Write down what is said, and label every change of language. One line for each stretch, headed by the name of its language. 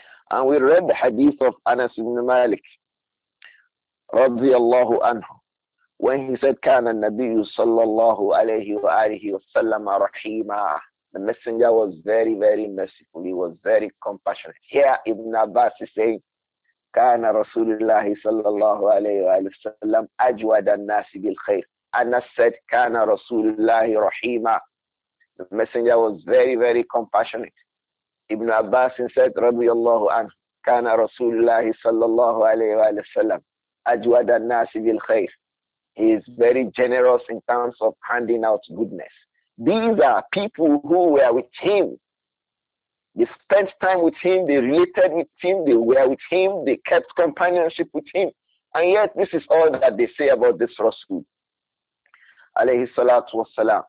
English: And we read the hadith of Anas ibn Malik, radiyallahu anhu. When he said,
Arabic: كان النبي صلى الله عليه وآله وسلم رحيما,
English: the Messenger was very, very merciful. He was very compassionate. Here, Ibn Abbas is saying,
Arabic: كان رسول الله صلى الله عليه وآله وسلم أجود الناس بالخير.
English: Anas said,
Arabic: كان رسول الله رحيما.
English: The Messenger was very, very compassionate. Ibn Abbas said,
Arabic: رضي الله عنه, كان رسول الله صلى الله عليه وآله وسلم أجود الناس بالخير.
English: He is very generous in terms of handing out goodness. These are people who were with him. They spent time with him. They related with him. They were with him. They kept companionship with him. And yet, this is all that they say about this Rasul. Alayhi salatu wasalam.